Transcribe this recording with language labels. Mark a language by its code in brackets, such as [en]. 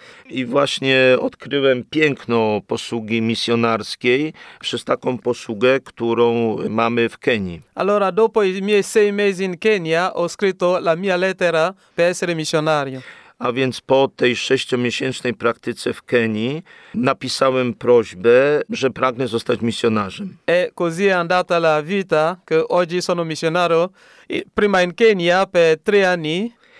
[pl] I właśnie odkryłem piękno posługi misjonarskiej przez taką posługę, którą mamy w Kenii. [it] Allora dopo i miei 6 mesi in Kenya ho scritto la mia lettera per essere missionario. [pl] A więc po tej 6-miesięcznej praktyce w Kenii napisałem prośbę, że pragnę zostać misjonarzem. [it] E così è andata la vita che oggi sono missionario prima in Kenya per 3 anni.